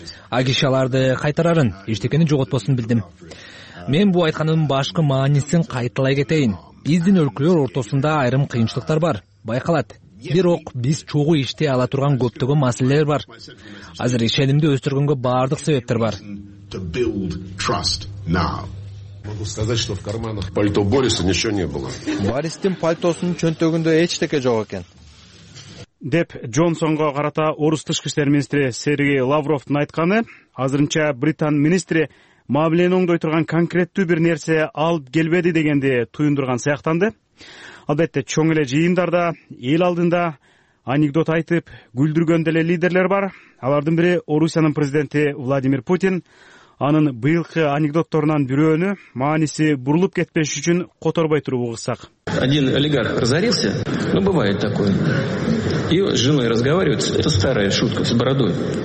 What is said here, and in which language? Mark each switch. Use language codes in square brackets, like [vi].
[ky] Агишаларды кайтарарын, эчтекени жоготпосун билдим. Мен бул айтканымдын башкы маанисин кайталай кетейин. Биздин өлкөлөр ортосунда айрым кыйынчылыктар бар, байкалат. Бирок биз чогуу иштей ала турган көптөгөн маселелер бар. Азыр ишенимди өстүргөнгө баардык себептер бар. [ru] Могу сказать, что в карманах пальто Бориса ничего не было. [ky] Бористин пальтосунун чөнтөгүндө эч нерсе жок экен. Деп Джонсонго карата Орус тышкы иштер министри Сергей Лавровдун айтканы, азырынча Британ министри мамилени оңдой турган конкреттүү бир нерсе алып келбеди дегенди туюндурган сыяктанды. Албетте чоң эле жыйындарда эл алдында анекдот айтып күлдүргөн деле лидерлер бар. Алардын бири Орусиянын президенти Владимир Путин. Анын быйылкы анекдотторунан бирөөнү мааниси бурулуп кетпеш үчүн которбой туруп угусак. [ru] Один олигарх разорился, ну бывает такое. И с женой разговаривает, это старая шутка с бородой.